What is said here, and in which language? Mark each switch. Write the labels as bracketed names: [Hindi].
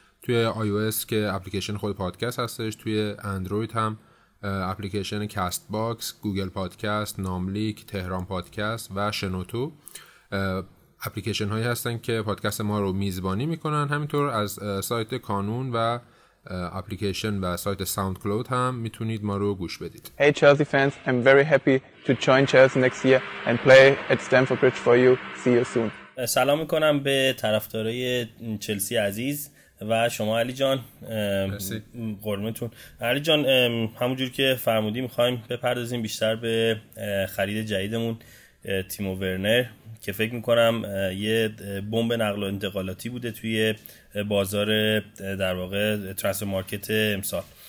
[Persian] توی آی او اس که اپلیکیشن خود پادکست هستش، توی اندروید هم اپلیکیشن کاست باکس، گوگل پادکست، ناملیک، تهران پادکست و شنوتو اپلیکیشن هایی هستن که پادکست ما رو میزبانی میکنن. همینطور از سایت کانون و اپلیکیشن و سایت ساوند کلاود هم میتونید ما رو گوش بدید. [English] Hey Chelsea fans, I'm very happy to join Chelsea next year and play at Stamford Bridge for you. See you soon. [Persian] سلام میکنم به طرفدارای چلسی عزیز و شما علی جان. قربونتون علی جان. همونجور که فرمودی میخوایم بپردازیم بیشتر به خرید جدیدمون تیمو ورنر، که فکر میکنم یه بمب نقل و انتقالاتی بوده توی بازار در واقع ترانسفر مارکت امسال.